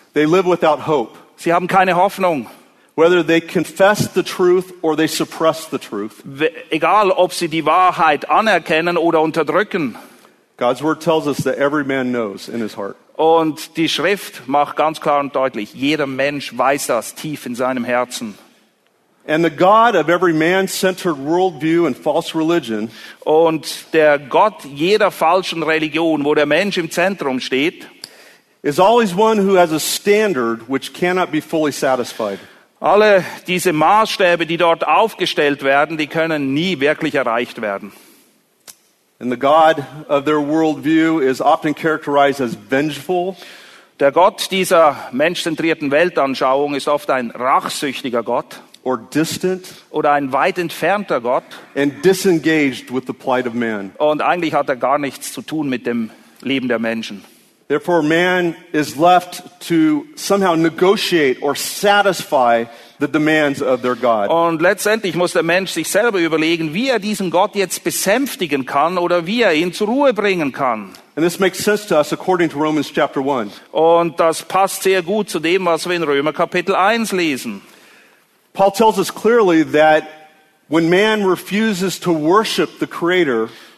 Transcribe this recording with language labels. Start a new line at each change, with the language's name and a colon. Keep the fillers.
English: They live without hope.
German: Sie haben keine Hoffnung.
English: whether they confess the truth or they suppress the truth.
German: Egal, ob sie die Wahrheit anerkennen oder unterdrücken.
English: God's word tells us that every man knows in his heart.
German: Und die Schrift macht ganz klar und deutlich, jeder Mensch weiß das tief in seinem Herzen.
English: And the God of every man-centered worldview and false religion. and the God of every false Religion, where the man is in the center, Is always one who has a standard which cannot be fully satisfied.
German: Alle diese Maßstäbe, die dort aufgestellt werden, die können nie wirklich erreicht werden. Der Gott dieser menschzentrierten Weltanschauung ist oft ein rachsüchtiger Gott. Oder ein weit entfernter Gott. Und eigentlich hat er gar nichts zu tun mit dem Leben der Menschen.
English: Therefore, man is left to somehow negotiate or satisfy the demands of their God.
German: Und letztendlich muss der Mensch sich selber überlegen, wie er diesen Gott jetzt besänftigen kann oder wie er ihn zur Ruhe bringen kann.
English: And this makes sense to us according to Romans chapter 1.
German: And das passt sehr gut zu dem, was wir in Römer Kapitel 1 lesen.
English: Paul tells us clearly that when man refuses to worship the Creator,